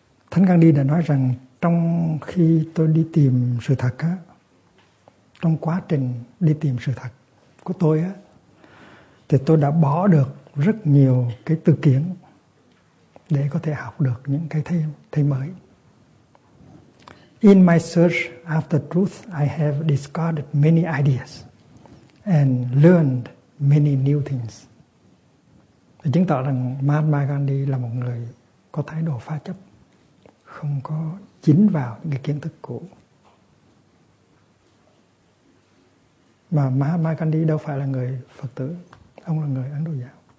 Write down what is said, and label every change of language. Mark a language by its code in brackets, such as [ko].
[vi] Thánh Gandhi đã nói rằng trong khi tôi đi tìm sự thật á, trong quá trình đi tìm sự thật của tôi á, thì tôi đã bỏ được rất nhiều cái tư kiến để có thể học được những cái thấy mới. [en] In my search after truth, I have discarded many ideas and learned many new things. [vi] Để chứng tỏ rằng Mahatma Gandhi là một người có thái độ phá chấp, không có dính vào những cái kiến thức cũ. Mà Mahatma Gandhi đâu phải là người Phật tử, ông là người Ấn Độ giáo.